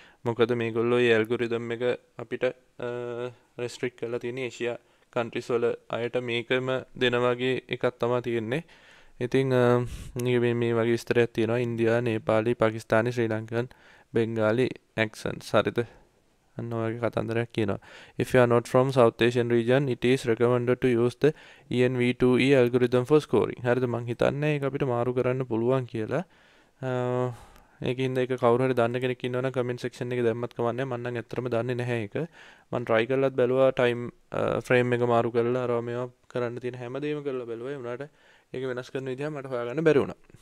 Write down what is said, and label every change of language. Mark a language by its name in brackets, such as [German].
[Sinhala] මොකද මේගොල්ලෝ ඒ ඇල්ගොරිතම් එක අපිට රෙස්ට්‍රික්ට් කරලා තියෙන ඒෂියා කන්ට්‍රිස් වල අයට මේකම දෙන වගේ එකක් තමයි තියෙන්නේ. ඉතින් මේ වගේ විස්තරයක් තියෙනවා. ඉන්දියා, නේපාලි, පාකිස්තානි, ශ්‍රී ලංකන්, බෙංගාලි ඇක්සන්ට්. හරිද? අන්න ඔයගේ කතන්දරයක් කියනවා. [English] If you are not from South Asian region, it is recommended to use the ENV2E algorithm for scoring. [Sinhala] හරිද? මං හිතන්නේ ඒක අපිට මාරු කරන්න පුළුවන් කියලා. ඒකින්ද ඒක කවුරු හරි දන්න කෙනෙක් ඉන්නවා නම් comment section එකේ දැම්මත් කමක් නැහැ. මන්නම් ඇත්තටම දන්නේ නැහැ ඒක. මං try කරලත් බැලුවා, time frame එක මාරු කරලා අරවා මේවා කරන්න තියෙන හැම දෙයක්ම කරලා බැලුවා. ඒ වුණාට ඒක වෙනස් කරන විදිහ මට හොයාගන්න බැරි වුණා.